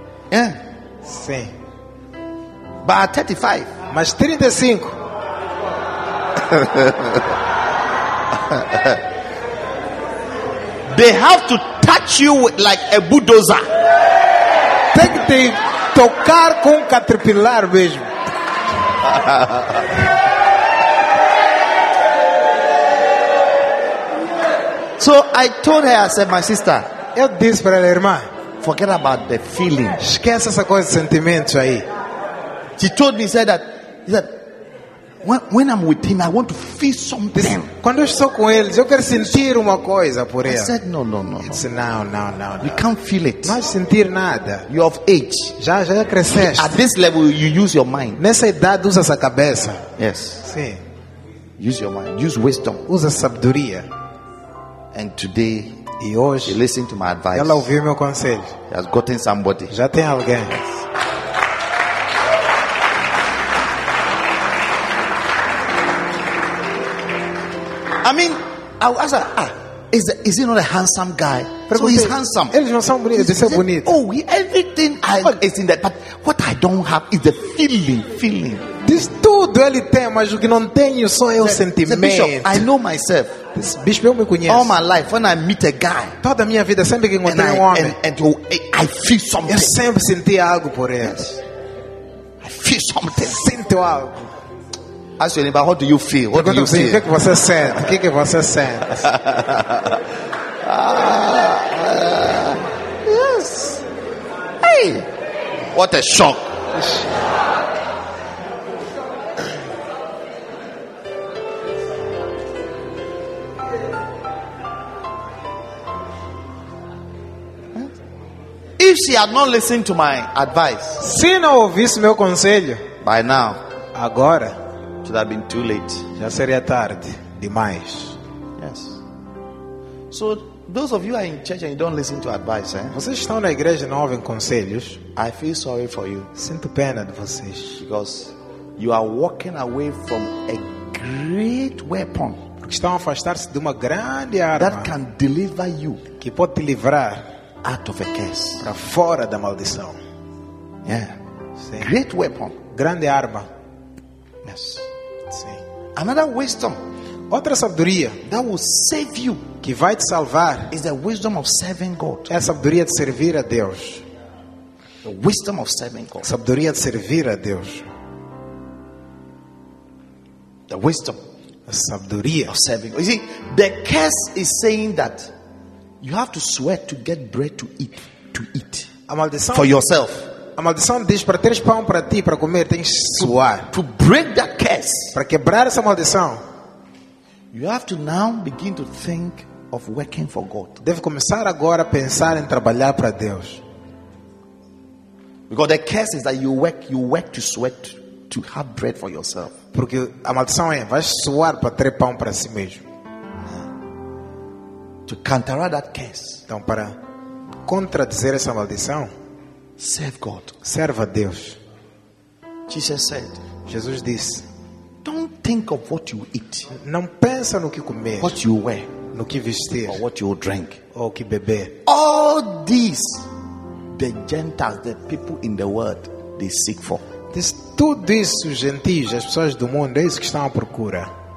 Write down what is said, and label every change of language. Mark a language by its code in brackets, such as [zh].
[en] Yeah. [pt] Sim. [en] But 35. [pt] Mas 35. [en] They have to touch you with, like a bulldozer. [pt] Tem que te tocar com um caterpillar mesmo. [en] So I told her, I said, my sister, [pt] eu disse para ela, irmã, [en] forget about the feeling. [pt] Esquece essa coisa de sentimento aí. [en] She told me, said that, he said, when I'm with him, I want to feel something. [pt] Disse, quando eu estou com ele, eu quero sentir uma coisa por ele. [en] I said, no. It's now. You can't feel it. [pt] Não vai sentir nada. [en] You of age. [pt] Já cresceste. [en] At this level, you use your mind. [pt] Nessa idade, usa essa cabeça. [en] Yes. [pt] Sim. [en] Use your mind. Use wisdom. [pt] Usa sabedoria. [en] And today, [pt] e hoje, [en] he listened to my advice. [pt] Ela ouviu meu conselho. [en] He has gotten somebody. [pt] Já tem alguém. [en] Yes. I mean, I was like, is he not a handsome guy? [pt] Pergunte, [en] so he's handsome. [pt] Ele não são bonito, ele é bonito. [en] Oh, everything is in that. But what I don't have is the feeling. [pt] Diz tudo ele tem, mas o que não tenho só é o sentimento. [en] Bishop, I know myself. This bishop, [pt] eu me conheço. [en] All my life, when I meet a guy, [pt] toda minha vida sempre que encontrei um homem, [en] and I feel something. [pt] Eu sempre senti algo por ele. [en] Yes. I feel something. [pt] Sinto algo. [en] Ask your neighbor, what do you feel? What do you feel? [pt] O que você sente? O que você sente? [en] Yes. Hey. What a shock. If she had not listened to my advice, [pt] se não ouvisse meu conselho, [en] by now, [pt] agora, [en] should have been too late. [pt] Já seria tarde demais. [en] Yes. So those of you are in church and you don't listen to advice, eh? [pt] Vocês estão na igreja e não ouvem conselhos. [en] I feel sorry for you. [pt] Sinto pena de vocês. [en] Because you are walking away from a great weapon. [pt] Porque estão a afastar-se de uma grande arma [en] that can deliver you. [pt] Que pode te livrar [en] out of a curse. [pt] Para fora da maldição. [en] Yeah. [pt] Sim. [en] Great weapon. [pt] Grande arma. [en] Yes. [pt] Sim. [en] Another wisdom, [pt] outra sabedoria [en] that will save you, [pt] que vai te salvar, [en] is the wisdom of serving God. [pt] É a sabedoria de servir a Deus. [en] The wisdom of serving God. [pt] Sabedoria de servir a Deus. [en] The wisdom, [pt] a sabedoria [en] of serving God. You see, the curse is saying that you have to sweat to get bread to eat. [pt] A maldição [en] for yourself. [pt] A maldição diz para teres pão para ti para comer, tens que suar. [en] To break that curse, [pt] para quebrar essa maldição, [en] you have to now begin to think of working for God. [pt] Deve começar agora a pensar em trabalhar para Deus. [en] Because the curse is that you work to sweat to have bread for yourself. [pt] Porque a maldição é, vais suar para ter pão para si mesmo. [en] To counteract that curse. [pt] Então para contradizer essa maldição, [en] serve God. [pt] Serve a Deus. [en] Jesus said. [pt] Jesus disse. [en] Don't think of what you eat. [pt] Não pensa no que comer. [en] What you wear. [pt] No que vestir. [en] Or what you drink. [pt] Ou que beber. [en] All these, the Gentiles, the people in the world, they seek for. [pt] Tudo isso, gentios, as pessoas do mundo, é isso que estão à procura.